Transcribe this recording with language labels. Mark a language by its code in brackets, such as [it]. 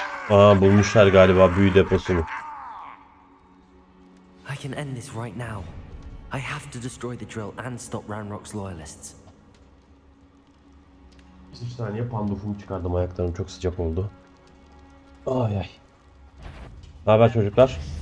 [tr] Aa, bulmuşlar galiba büyü deposunu. [en] I can end this right now. I have to destroy the drill and stop Ranrok's loyalists. [tr] Bir saniye pandufumu çıkardım, ayaklarım çok sıcak oldu. Ay ay. Ne haber çocuklar?